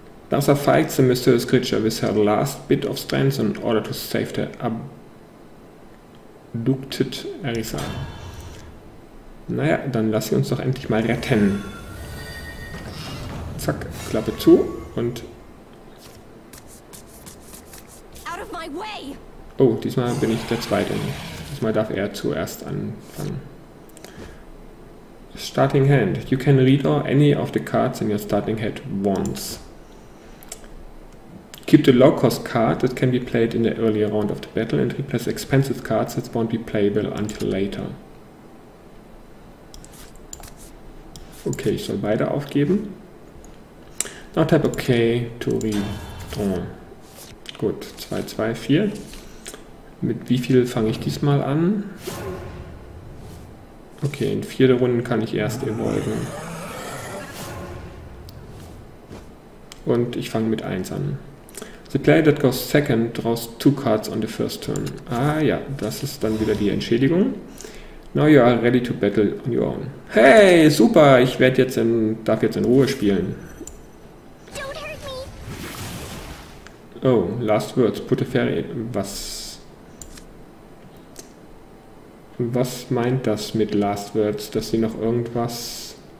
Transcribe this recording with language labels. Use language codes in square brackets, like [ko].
[en] Dancer fights the mysterious creature with her last bit of strength in order to save the abducted Arisa. [de] Naja, dann lass sie uns doch endlich mal retten. Zack, Klappe zu und... [en] Out of my way. [de] Oh, diesmal bin ich der Zweite. Diesmal darf er zuerst anfangen. [en] Starting Hand. You can redraw any of the cards in your starting hand once. Keep the low-cost card that can be played in the earlier round of the battle and replace expensive cards that won't be playable until later. [de] Okay, ich soll beide aufgeben. [en] Now type okay to redraw. [de] Gut, 2, 2, 4. Mit wie viel fange ich diesmal an? Okay, in 4 der Runden kann ich erst evolven. Und ich fange mit 1 an. [en] The player that goes second draws 2 cards on the first turn. [de] Ah ja, das ist dann wieder die Entschädigung. [en] Now you are ready to battle on your own. [de] Hey, super, ich werde jetzt in, darf jetzt in Ruhe spielen. [en] Oh, last words, put a fairy. [de] Was meint das mit last words, dass sie noch irgendwas...